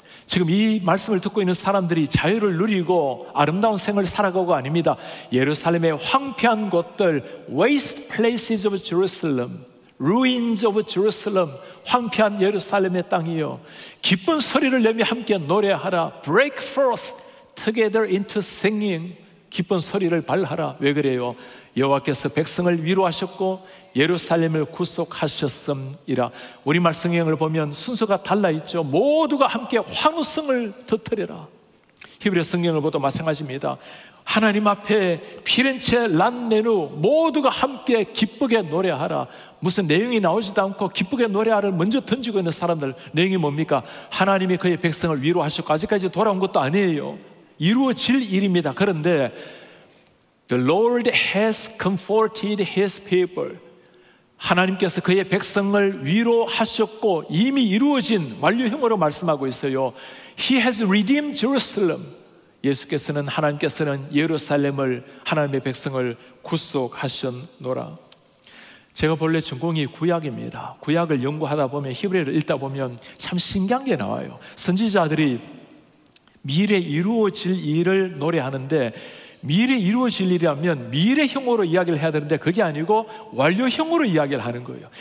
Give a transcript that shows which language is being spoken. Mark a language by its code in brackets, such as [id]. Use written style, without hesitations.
[ko] 지금 이 말씀을 듣고 있는 사람들이 자유를 누리고 아름다운 생활을 살아가고 아닙니다. 예루살렘의 황폐한 곳들, [en] Waste places of Jerusalem, Ruins of Jerusalem, [ko] 황폐한 예루살렘의 땅이요, 기쁜 소리를 내며 함께 노래하라. [en] Break forth together into singing. [ko] 기쁜 소리를 발하라. 왜 그래요? 여호와께서 백성을 위로하셨고 예루살렘을 구속하셨음이라. 우리말 성경을 보면 순서가 달라 있죠. 모두가 함께 환호성을 터뜨려라. 히브리 성경을 보도 마찬가지입니다. 하나님 앞에 피렌체 란 내누 모두가 함께 기쁘게 노래하라. 무슨 내용이 나오지도 않고 기쁘게 노래하라를 먼저 던지고 있는 사람들, 내용이 뭡니까? 하나님이 그의 백성을 위로하셨고 아직까지 돌아온 것도 아니에요. 이루어질 일입니다. 그런데 [en] The Lord has comforted his people. [ko] 하나님께서 그의 백성을 위로하셨고 이미 이루어진 완료형으로 말씀하고 있어요. [en] He has redeemed Jerusalem. [ko] 예수께서는, 하나님께서는 예루살렘을, 하나님의 백성을 구속하셨노라. 제가 본래 전공이 구약입니다. 구약을 연구하다 보면, 히브리를 읽다 보면 참 신기한 게 나와요. 선지자들이 미래 이루어질 일을 노래하는데, 미래 이루어질 일이라면 미래형으로 이야기를 해야 되는데 그게 아니고 완료형으로 이야기를 하는 거예요.